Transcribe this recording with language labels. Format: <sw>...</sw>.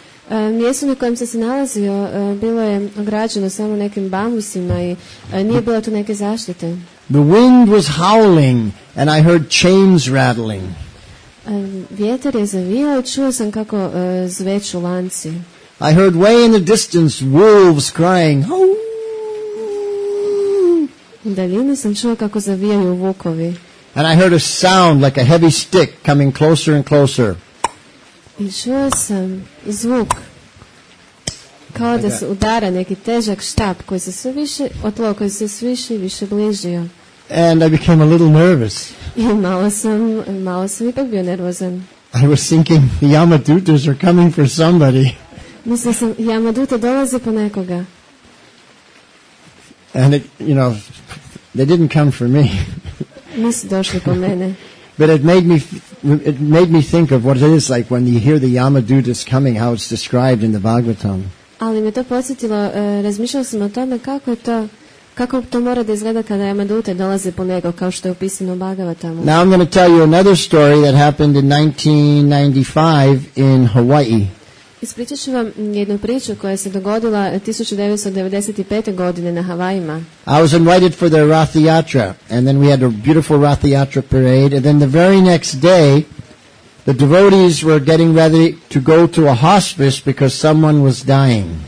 <hr>Mjesto na kojem sam se nalazio bilo je ograđeno samo nekim bambusima i nije bilo tu neke zaštite.</hr> <en>The wind was howling and I heard chains rattling.</en> <hr>Vjetar je zavio i čuo sam kako zveču lanci.</hr> <en>I heard way in the distance wolves crying. Hoo!</en> <hr>U daljini sam čuo kako zavijaju vukovi.</hr> <en>And I heard a sound like a heavy stick coming closer and closer.</en> <hr>I čuo sam zvuk kao da se udara neki težak štap koji se sve više otlo, koji se sve više i više bližio.</hr> <en>And I became a little nervous.</en> <hr>I malo sam ipak bio nervozan.</hr> <en>I was thinking the Yamadutas are coming for somebody.</en> <hr>Mislio sam Yamadute dolaze po nekoga.</hr> <en>And it, you know, they didn't come for me.</en> <hr>Nisu došli po mene.</hr> <en>But it made me think of what it is like when you hear the Yamadutas coming, how it's described in the Bhagavatam.</en> <hr>Ali me to podsjetilo, razmišljao sam o tome kako je to. Kako to mora da izgleda kada Yamadute dolaze po nego, kao što je opisano u Bhagavatamu.</hr> <en>Now I'm going to tell you another story that happened in 1995 in Hawaii.</en> <hr>Ispričat ću vam jednu priču koja se dogodila 1995. godine na Havajima.</hr> <en>I was invited for the Rath Yatra, and then we had a beautiful Rath Yatra parade, and then the very next day, the devotees were getting ready to go to a hospice because someone was dying.</en>